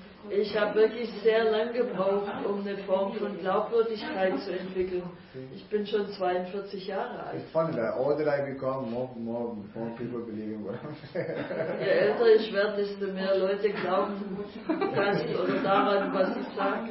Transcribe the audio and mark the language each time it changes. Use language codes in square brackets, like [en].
[de] Ich habe wirklich sehr lange gebraucht, um eine Form von Glaubwürdigkeit zu entwickeln. Ich bin schon 42 Jahre alt. [en] It's funny, the older I become, more people believe in what I'm saying. [de] Je älter ich werde, desto mehr Leute glauben das oder daran, was ich sage.